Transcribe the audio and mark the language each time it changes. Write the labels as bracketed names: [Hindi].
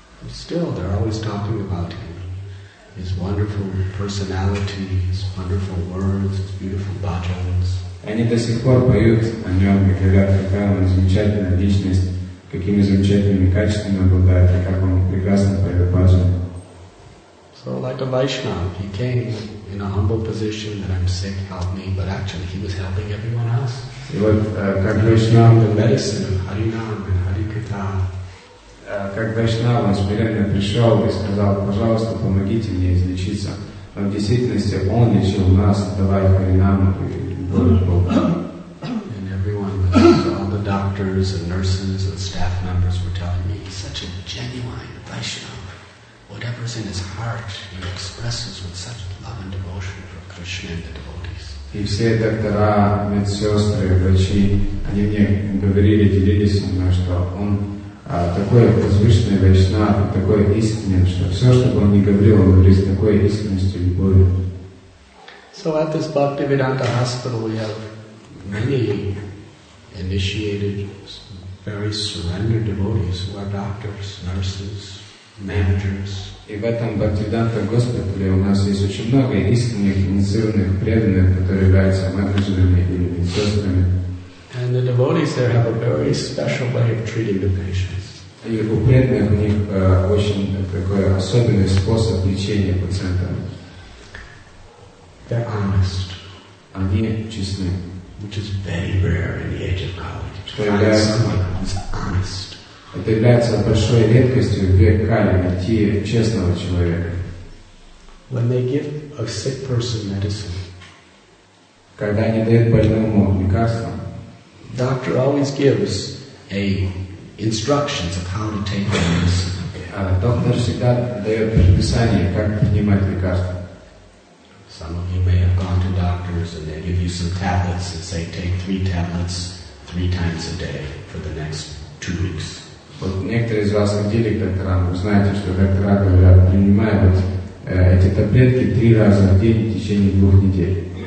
[English] Still, they're always talking about him. His wonderful personality, his wonderful words, his beautiful bhajans. [Russian] Они до сих пор поют о нем и говорят, какая он замечательная личность, какими замечательными качествами обладает, и как он прекрасно поет бхаджан. [English] So So like a Vaishnava, he came in a humble position that I'm sick, help me, but actually he was helping everyone else. [Russian] И вот как Вайшнав, [English] the medicine of [Russian] Харинам и Харикатха. Как Вайшнав, он смиренно пришел и сказал, пожалуйста, помогите мне излечиться. Но в действительности он лечил нас, давая Харинам и Божьим Богом. [English] And everyone, was, all the doctors and nurses and staff members were telling me, he's such a genuine Vaishnava. Whatever's in his heart, he expresses with such love and devotion for Krishna and the devotees. [Russian] И все доктора, медсестры, врачи, они мне говорили, делились со мной, что он такой возвышенный вайшнав, такой искренний, что все, что бы он ни говорил, он говорит с такой искренностью и любовью. [English] So at this Bhaktivedanta hospital we have many initiated, very surrendered devotees who are doctors, nurses, managers. [Russian] И в этом Бхактивиданта госпитале у нас есть очень много искренних, инициированных, преданных, которые являются менеджерами или медсестрами. [English] And the devotees there have a very special way of treating the patients. [Russian] И у преданных у них очень такой особенный способ лечения пациента. [English] They're honest. [Russian] Они честны. [English] Which is very rare in the age of Kali. Someone honest. [Russian] Это является большой редкостью в век Кали найти честного человека. [English] When they give a sick person medicine, [Russian] когда они дают больному лекарство, [English] doctor always gives a instructions of how to take the medicine. [Russian] Доктор всегда дает предписание, как принимать лекарство. [English] Some of you may have gone to doctors and they give you some tablets and say take 3 tablets 3 times a day for the next 2 weeks. [Russian] Вот некоторые из вас ходили к докторам, вы знаете, что доктора говорят, принимают эти таблетки 3 раза в день в течение 2 недель.